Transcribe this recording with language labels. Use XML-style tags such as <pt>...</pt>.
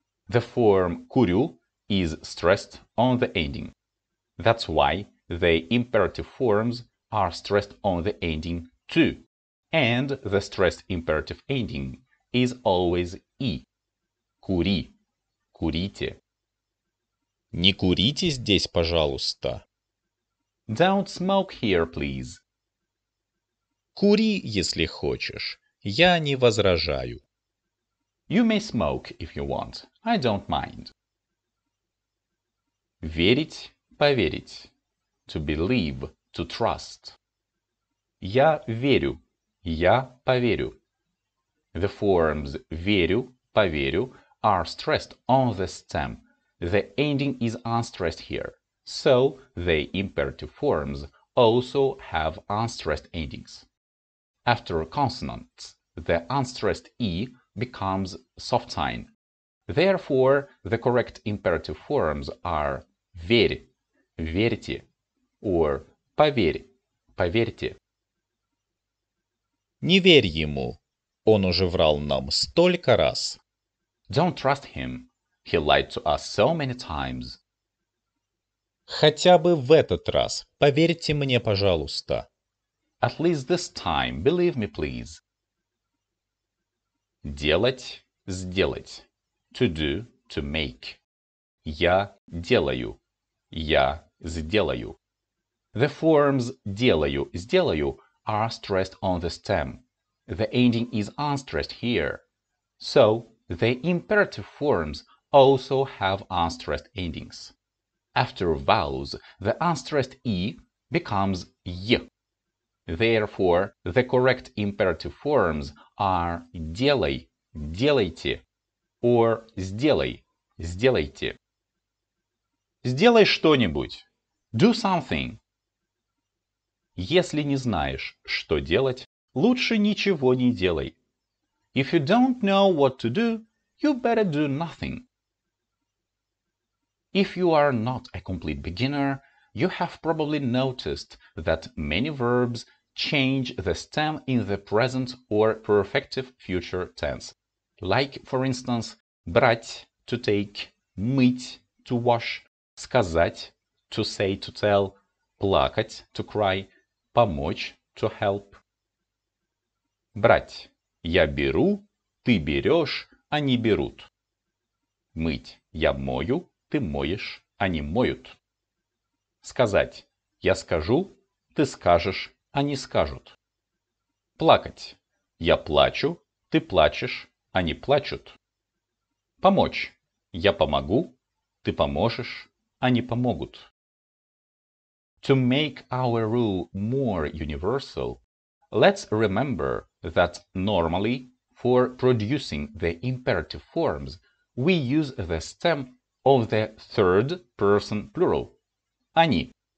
<en>The form курю is stressed on the ending. That's why the imperative forms are stressed on the ending too. And the stressed imperative ending is always и.</en> <ru>Кури – курите. Не курите здесь, пожалуйста.</ru> <en>Don't smoke here, please.</en> <ru>Кури, если хочешь. Я не возражаю.</ru> <en>You may smoke if you want. I don't mind.</en> <ru>Верить, поверить.</ru> <en>To believe, to trust.</en> <ru>Я верю. Я поверю.</ru> <en>The forms верю, поверю are stressed on the stem. The ending is unstressed here. So, the imperative forms also have unstressed endings. After consonants, the unstressed E becomes soft sign. Therefore, the correct imperative forms are верь, верьте, or поверь, поверьте.</en> <ru>Не верь ему, он уже врал нам столько раз.</ru> <en>Don't trust him, he lied to us so many times.</en> <ru>Хотя бы в этот раз, поверьте мне, пожалуйста.</ru> <en>At least this time, believe me, please.</en> <ru>Делать, сделать.</ru> <en>To do, to make.</en> <ru>Я делаю. Я сделаю.</ru> <en>The forms делаю, сделаю are stressed on the stem. The ending is unstressed here. So, the imperative forms also have unstressed endings. After vowels, the unstressed E becomes Y. Therefore, the correct imperative forms are делай, делайте, or сделай, сделайте.</en> <ru>Сделай что-нибудь.</ru> <en>Do something.</en> <ru>Если не знаешь, что делать, лучше ничего не делай.</ru> <en>If you don't know what to do, you better do nothing. If you are not a complete beginner, you have probably noticed that many verbs change the stem in the present or perfective future tense. Like, for instance, брать – to take, мыть – to wash, сказать – to say, to tell, плакать – to cry, помочь – to help.</en> <ru>Брать – я беру, ты берешь, они берут. Мыть – я мою. Ты моешь, они моют. Сказать. Я скажу, ты скажешь, они скажут. Плакать. Я плачу, ты плачешь, они плачут. Помочь. Я помогу, ты поможешь, они помогут.</ru> <en>To make our rule more universal, let's remember that normally for producing the imperative forms, we use the stem of the third person plural, они.</en>